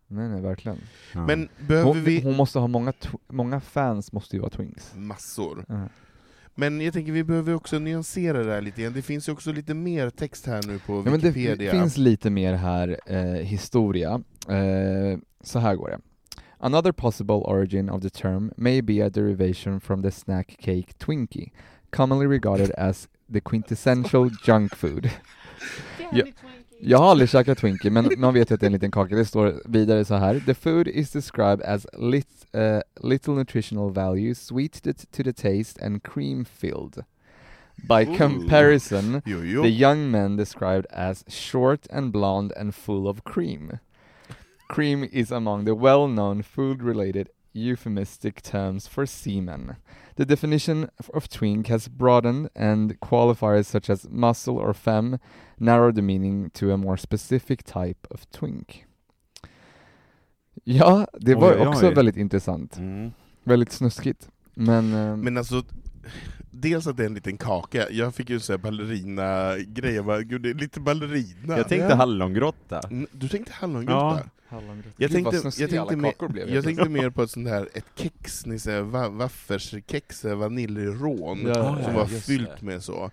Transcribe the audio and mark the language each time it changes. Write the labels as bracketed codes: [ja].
[sv] Nej, verkligen. Ja. Men behöver vi... Hon måste ha många fans måste ju vara Twinks. Massor. Mm. Men jag tänker vi behöver också nyansera det här lite igen. Det finns ju också lite mer text här nu på ja, Wikipedia. Men det finns lite mer här historia. Så här går det. [en] Another possible origin of the term may be a derivation from the snack cake Twinkie, commonly regarded as the quintessential junk food. [sv] Jag har aldrig käkat Twinkie, men man vet att det är en liten kaka. Det står vidare så här. [en] The food is described as little nutritional value, sweet to the taste and cream filled. By comparison, the young men described as short and blonde and full of cream. Cream is among the well-known food-related euphemistic terms for semen. The definition of twink has broadened, and qualifiers such as muscle or femme narrow the meaning to a more specific type of twink. [sv] Ja, det var också väldigt intressant. Mm. Väldigt snuskigt. Men alltså, dels att det är en liten kaka. Jag fick ju säga ballerina grejer. Gud, det är lite ballerina. Jag tänkte hallongrotta. Du tänkte hallongrotta? Ja. Jag tänkte mer på ett sånt här ett kex, ni säger vaffelskex, vaniljrån som var fyllt med så